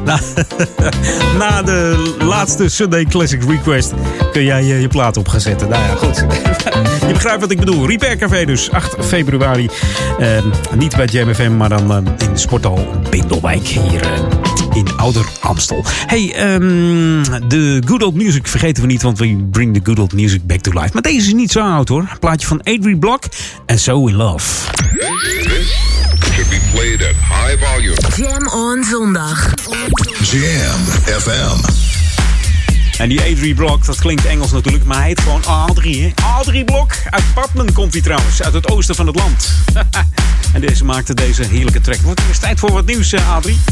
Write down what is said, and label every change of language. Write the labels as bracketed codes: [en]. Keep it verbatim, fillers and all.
[nl] Na, na de laatste Sunday Classic Request kun jij je, je plaat op gaan zetten. Nou ja, goed. Je begrijpt wat ik bedoel. Repair Café dus. acht februari. Uh, niet bij Jam F M, maar dan uh, in de sporthal Bindelwijk. Hier uh, in Ouder Amstel. Hey, um, de Good Old Music vergeten we niet, want [en] we bring the good old music back to life. [nl] Maar deze is niet zo oud hoor. Een plaatje van Adri Block en So In Love. [en] This should be played at high volume. [nl] Jam on zondag. Jam F M. En die Adri Block, dat klinkt Engels natuurlijk, maar hij heet gewoon Adri. Hè? Adri Block, uit Padmen komt hij trouwens, uit het oosten van het land. En deze maakte deze heerlijke track. Wordt er eens tijd voor wat nieuws, Adri?